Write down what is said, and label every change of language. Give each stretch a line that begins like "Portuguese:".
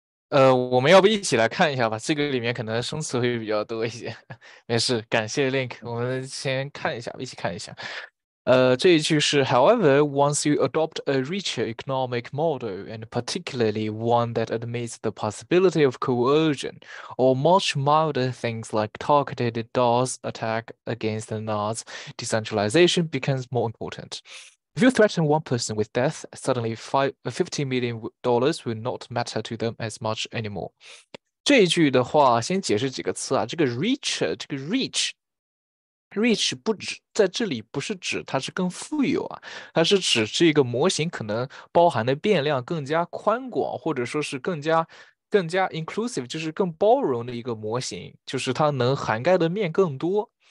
Chinese: 我们要不一起来看一下吧，这个里面可能生词会比较多一些。没事，感谢 Link， 我们先看一下，一起看一下。这一句是
English: However, once you adopt a richer economic model, and particularly one that admits the possibility of coercion, or much milder things like targeted DDoS attack against the nodes, decentralization becomes more important. If you threaten one person with death, suddenly $50 million dollars will not matter to them as much anymore.
Chinese: 这一句的话，先解释几个词啊。这个 richer， 这个 rich 不止在这里不是指它是更富有啊，它是指这个模型可能包含的变量更加宽广，或者说是更加 inclusive， 就是更包容的一个模型，就是它能涵盖的面更多。